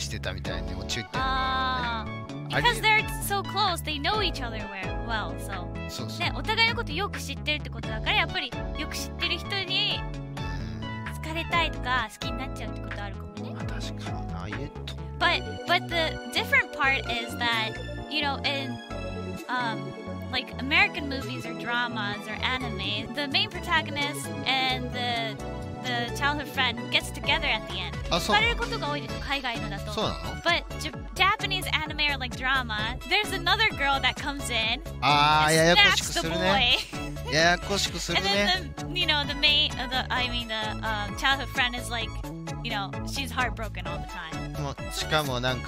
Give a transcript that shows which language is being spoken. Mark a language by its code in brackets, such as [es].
[ja] 人目、恋しちゃうとね。主人公は気づいてない。気づいてないよね。あれかな?日本ってさ、こう、家がすごく密集してるじゃん。だから恋してんのかもわかんないぐらい、なんか近くなって実は恋してたみたいに落ちてたみたいな。 [en] Because they're so close, they know each other well, so. [ja] そうそう。お互いのことよく知ってるってことだから、やっぱりよく知ってる人に好きになっちゃうってことあるかもね。確かにないえっと。 [en] But the different part is that, you know, in like American movies or dramas or anime, the main protagonist and the childhood friend gets together at the end. [ja] あ、そう。されることが多いでしょ、海外のだと。そうなの? [en] But Japanese anime or like drama, there's another girl that comes in. [ja] ああ、ややこしくするね。ややこしくするね。 [en] And then the, you know, the main, the, I mean the childhood friend is like, you know, she's heartbroken all the time.